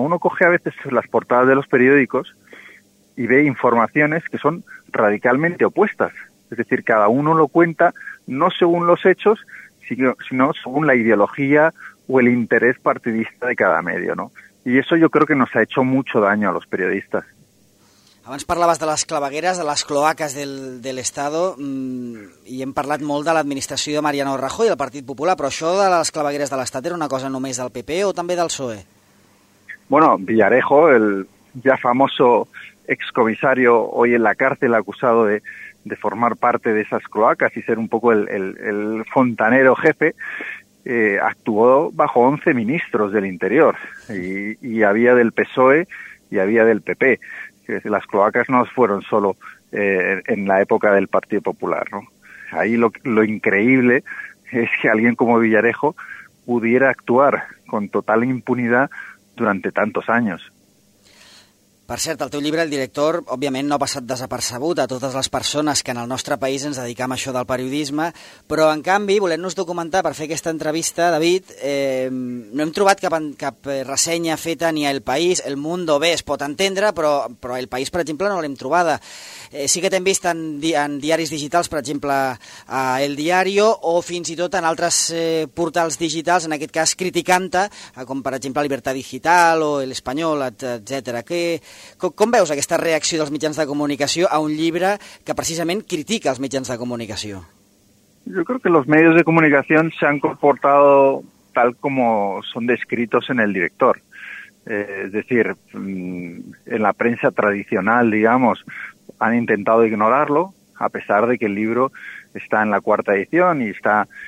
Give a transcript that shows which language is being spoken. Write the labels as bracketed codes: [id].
[es] Uno coge a veces las portadas de los periódicos y ve informaciones que son radicalmente opuestas. Es decir, cada uno lo cuenta no según los hechos, sino según la ideología o el interés partidista de cada medio, ¿no? Y eso yo creo que nos ha hecho mucho daño a los periodistas. [ca] Abans parlaves de les clavegueres, de les cloaques de l'Estado, i hem parlat molt de l'administració de Mariano Rajoy i del Partit Popular, però això de les clavegueres de l'Estat era una cosa només del PP o també del PSOE? [es] Bueno, Villarejo, el ya famoso excomisario hoy en la cárcel acusado de formar parte de esas cloacas y ser un poco el fontanero jefe, actuó bajo 11 ministros del Interior y había del PSOE y había del PP. Las cloacas no fueron solo en la época del Partido Popular, ¿no? Ahí lo increíble es que alguien como Villarejo pudiera actuar con total impunidad durante tantos años. [ca] Per cert, el teu llibre, El Director, òbviament no ha passat desapercebut a totes les persones que en el nostre país ens dediquem a això del periodisme, però en canvi, volent-nos documentar per fer aquesta entrevista, David, no hem trobat cap ressenya feta ni a El País, El Mundo, bé, es pot entendre, però El País, per exemple, no l'hem trobada. Sí que t'hem vist en diaris digitals, per exemple, a El Diario, o fins i tot en altres portals digitals, en aquest cas criticant-te, com per exemple Libertad Digital o El Español, etcètera. Com veus aquesta reacció dels mitjans de comunicació a un llibre que precisament critica els mitjans de comunicació? [es] Yo creo que los medios de comunicación se han comportado tal como son descritos en El Director. Es decir, en la prensa tradicional, digamos, han intentado ignorarlo, a pesar de que el libro está en la cuarta edición y está